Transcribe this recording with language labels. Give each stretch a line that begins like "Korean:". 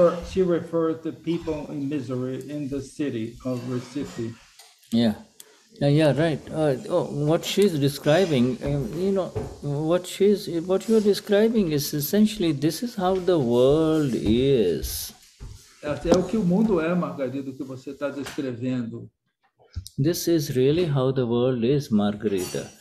English: She refers to people in misery in the city of Recife. Yeah. Yeah, right. What she's describing, you know, what you're describing is essentially this is how the world is.
Portuguese: É o que o mundo é, Margarida, o que você está descrevendo.
English: This is really how the world is, Margarida.